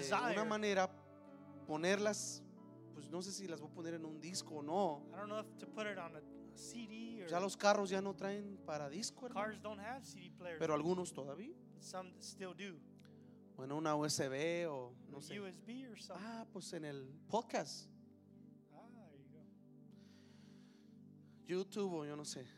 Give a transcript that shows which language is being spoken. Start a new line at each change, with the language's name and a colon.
Spanish: de una manera ponerlas, pues no sé si las voy a poner en un disco o no.
English: I don't know if to put it on a CD. Or
Spanish: ya los carros ya no traen para disco.
English: Cars don't have CD players.
Spanish: Pero algunos todavía.
English: Some still do.
Spanish: Bueno, una USB o no sé.
English: USB or something.
Spanish: Ah, pues en el podcast.
English: Ah, there you go.
Spanish: YouTube o yo no sé.